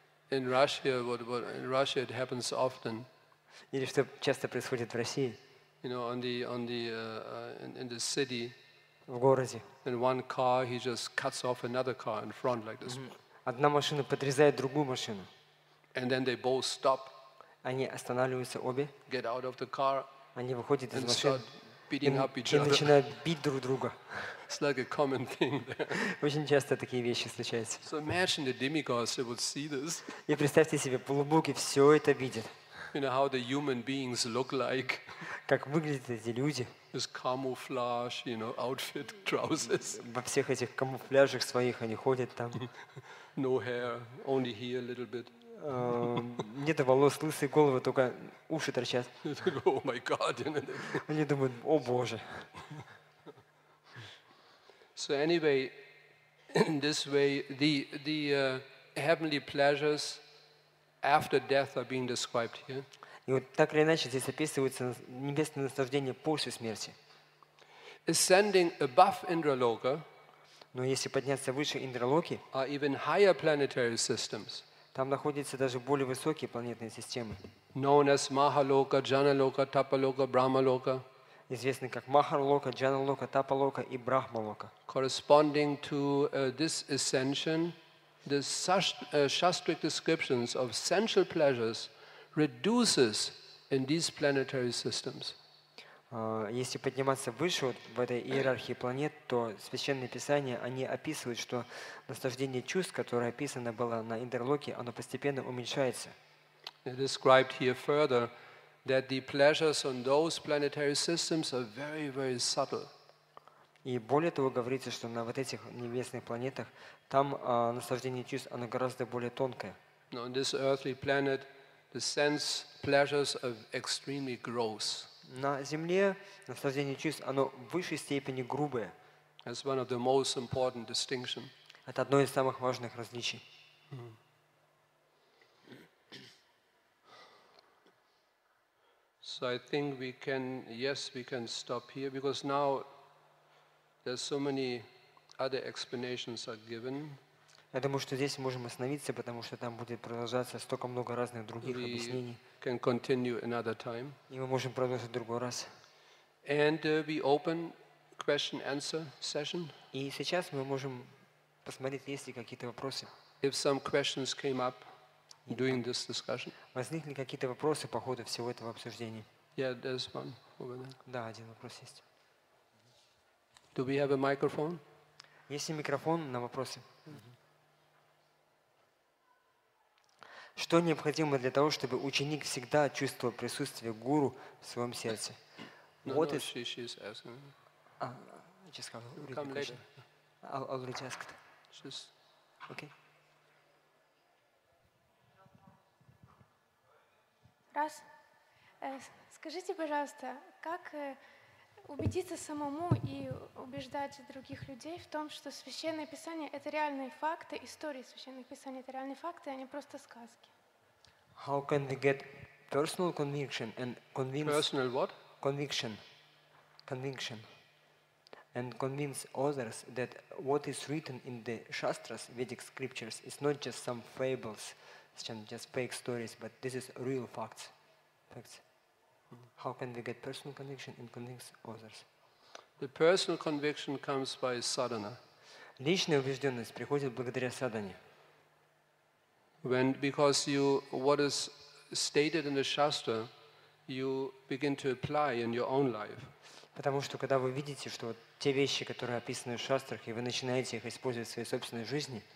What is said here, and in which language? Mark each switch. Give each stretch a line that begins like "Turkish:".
English: In Russia, what in Russia it happens often.
Russian: Или что часто происходит в России?
English: You know, in the city.
Russian: В городе.
English: In one car, he just cuts off another car in front like this.
Russian: Одна машина подрезает другую машину.
English: And then they both stop.
Russian: Они останавливаются обе.
English: Get out of the car.
Russian: Они выходят из машины.
English: And start beating up each other.
Russian: И начинают бить друг друга.
English: It's like a common thing.
Russian: Очень часто такие вещи случаются.
English: So imagine the demigods would see this.
Russian: И представьте себе, полубоги все это видят.
English: You know how the human beings look like.
Russian: Как выглядят эти люди?
English: This camouflage, you know, outfit, trousers.
Russian: Во всех этих камуфляжах своих они ходят там.
English: No hair, only here a little bit.
Russian: Нет волос, лысые головы, только уши торчат.
English: Oh my God!
Russian: Они думают: о боже!
English: So anyway, in this way, the heavenly pleasures after death are being described here.
Russian: И вот так или иначе здесь описывается небесное наслаждение после смерти.
English: Ascending above Indraloka,
Russian: но если подняться выше Индралоки,
English: are even higher planetary systems.
Russian: Там находятся даже более высокие планетные системы.
English: Known as Mahaloka, Janaloka, Tapaloka, Brahmaloka.
Russian: Известны как Махарлока, Джаналока, Тапалока и Брахмалока.
English: Corresponding to this ascension, the Shastric descriptions of sensual pleasures reduces in these planetary systems.
Russian: Если подниматься выше вот, в этой иерархии планет, то священные писания они описывают, что наслаждение чувств, которое описано было на Индерлоке, оно постепенно уменьшается.
English: It described here further that the pleasures on those planetary systems are very, very subtle.
Russian: И более того, говорится, что на вот этих небесных планетах там наслаждение чувств оно гораздо более тонкое.
English: Now on this earthly planet, the sense pleasures are extremely gross.
Russian: На Земле наслаждение чувств оно в высшей степени грубое.
English: That's one of the most important distinction.
Russian: Это одно из самых важных различий.
English: So I think we can, yes, we can stop here because now there's so many other explanations are given.
Russian: Я думаю, что здесь можем остановиться, потому что там будет продолжаться столько много разных других объяснений.
English: We can continue another time.
Russian: И мы можем продолжить другой раз.
English: And we open question-answer session.
Russian: И сейчас мы можем посмотреть, есть ли какие-то вопросы.
English: If some questions came up during this discussion.
Russian: Возникли какие-то вопросы по ходу всего этого обсуждения?
English: Yeah, there's one over there.
Russian: Да, один вопрос есть.
English: Do we have a microphone?
Russian: Есть ли микрофон на вопросы? Что необходимо для того, чтобы ученик всегда чувствовал присутствие гуру в своем сердце?
English: What is? She's asking. Just come later. I'll already ask it. Just okay.
Russian: Раз. Скажите, пожалуйста, как убедиться самому и убеждать других людей в том, что Священное Писание — это реальные факты, истории Священных Писаний — это реальные факты, а не просто сказки?
English: How can we get personal conviction and convince personal what? Conviction and convince others that what is written in the Shastras, Vedic scriptures, is not just some fables, some just fake stories, but this is real facts. How can we get personal conviction and convince others? The personal conviction comes by sadhana.
Russian: Личная убежденность приходит благодаря садхане.
English: When because you what is stated in the Shastra, you begin to apply in your own life.
Russian: Потому что когда вы видите, что те вещи, которые описаны в шастрах, и вы начинаете их использовать в своей собственной жизни.